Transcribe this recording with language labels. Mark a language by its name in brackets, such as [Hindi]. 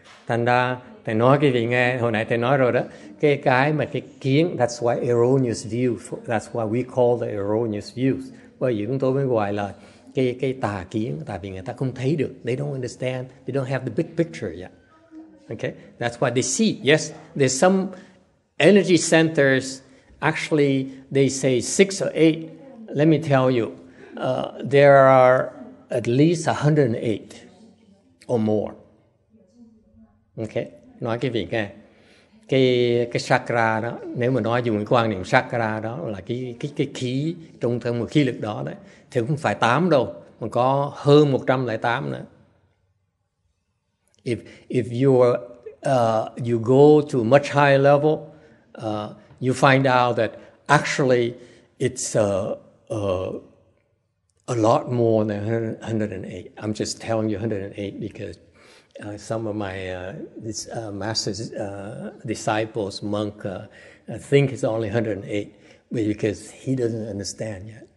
[Vietnamese] Thành ra thầy nói quý vị nghe, hồi nãy thầy nói rồi đó, cái mà cái kiến, [English] that's why erroneous views, that's why we call the erroneous views. [Vietnamese] Bởi vì chúng tôi mới gọi là cái tà kiến, tại vì người ta không thấy được, [English] they don't understand, they don't have the big picture yet. Okay, that's why they see, yes, there's some energy centers, actually they say 6 or 8, let me tell you, there are at least 108 or more. Okay. [Vietnamese] Nói cái vị nghe, cái chakra đó, nếu mà nói dùng cái quan niệm chakra đó là cái khí trung tâm, một khí lực đó đấy, thì không phải 8 đâu, mà có hơn 108 nữa. [English] If you you go to a much higher level, you find out that actually it's a lot more than 108. I'm just telling you 108 because some of my master's disciples, monk, think it's only 108 because he doesn't understand yet.